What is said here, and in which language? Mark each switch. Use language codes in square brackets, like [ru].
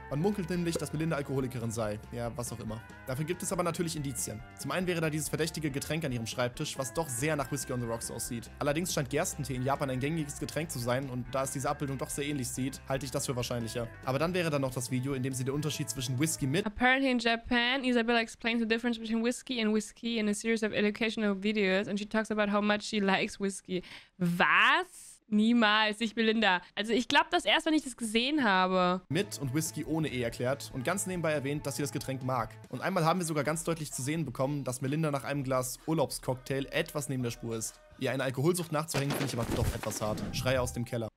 [de] Man munkelt nämlich, dass Melinda Alkoholikerin sei. Ja, was auch immer. Dafür gibt es aber natürlich Indizien. Zum einen wäre da dieses verdächtige Getränk an ihrem Schreibtisch, was doch sehr nach Whiskey on the Rocks aussieht. Allerdings scheint Gerstentee in Japan ein gängiges Getränk zu sein und da es diese Abbildung doch sehr ähnlich sieht, halte ich das für wahrscheinlicher. Aber dann wäre da noch das Video, in dem sie den Unterschied zwischen Whiskey mit [en] Apparently in Japan, Isabella explains the difference between whiskey and whiskey in a series of educational videos and she talks about how much she likes whiskey. [de] Was? Niemals, ich bin Linda. Also ich glaube das erst, wenn ich das gesehen habe. Mit und Whisky ohne E erklärt und ganz nebenbei erwähnt, dass sie das Getränk mag. Und einmal haben wir sogar ganz deutlich zu sehen bekommen, dass Melinda nach einem Glas Urlaubscocktail etwas neben der Spur ist. Ihr eine Alkoholsucht nachzuhängen, finde ich aber doch etwas hart. Schreie aus dem Keller.